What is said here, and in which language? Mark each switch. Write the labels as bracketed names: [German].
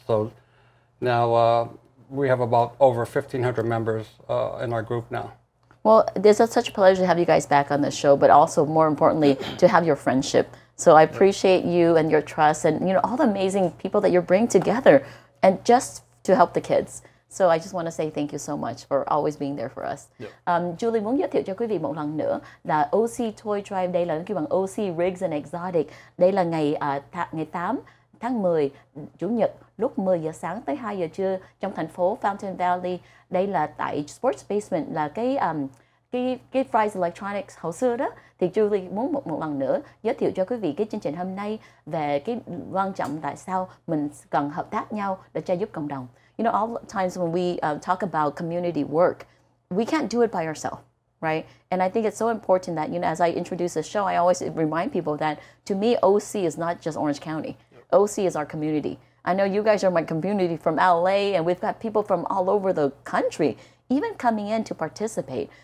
[English] So now we have about over 1,500 members in our group now. Well, this is such a pleasure to have you guys back on the show, but also more importantly, to have your friendship. So I appreciate you and your trust and, you know, all the amazing people that you bring together and just to help the kids. So I just want to say thank you so much for always being there for us. Yep. [Vietnamese] Julie, muốn giới thiệu cho quý vị một lần nữa là OC Toy Drive, đây là kêu bằng OC Rigs and Exotic. Đây là ngày 8 tháng 10, Chủ nhật, lúc 10 giờ sáng tới 2 giờ trưa trong thành phố Fountain Valley. Đây là tại Sports Basement, là cái Fry's Electronics hồi xưa đó. Thì Julie muốn một lần nữa giới thiệu cho quý vị cái chương trình hôm nay về cái quan trọng tại sao mình cần hợp tác nhau để cho giúp cộng đồng. [English] You know, all times when we talk about community work, we can't do it by ourselves, right? And I think it's so important that, you know, as I introduce the show, I always remind people that, to me, OC is not just Orange County. Yep. OC is our community. I know you guys are my community from LA, and we've got people from all over the country even coming in to participate.